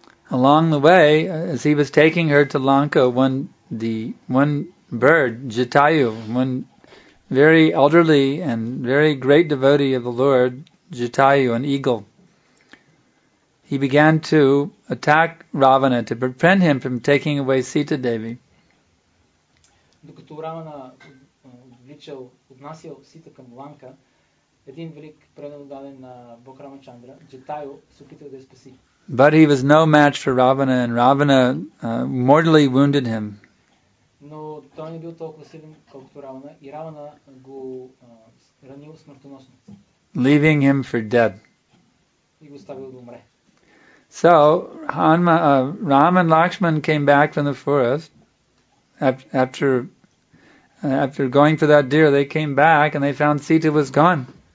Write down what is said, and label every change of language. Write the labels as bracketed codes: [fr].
[en] Along the way, as he was taking her to Lanka, one bird, Jatayu, one very elderly and very great devotee of the Lord, Jatayu, an eagle, he began to attack Ravana to prevent him from taking away Sita Devi. [bg] Докато Равана отвличал, отнасил Сита към Ланка, един велик предаден на Бог Рамачандра, Джатайо се опитал да я спаси. [en] But he was no match for Ravana, and Ravana mortally wounded him. [bg] Но той не бил толкова силен, колкото Равана, и Равана го ранил смъртоносно. [en] Leaving him for dead. [bg] И го оставил да умре. [en] So, Ram and Lakshman came back from the forest. After going for that deer, they came back and they found Sita was gone.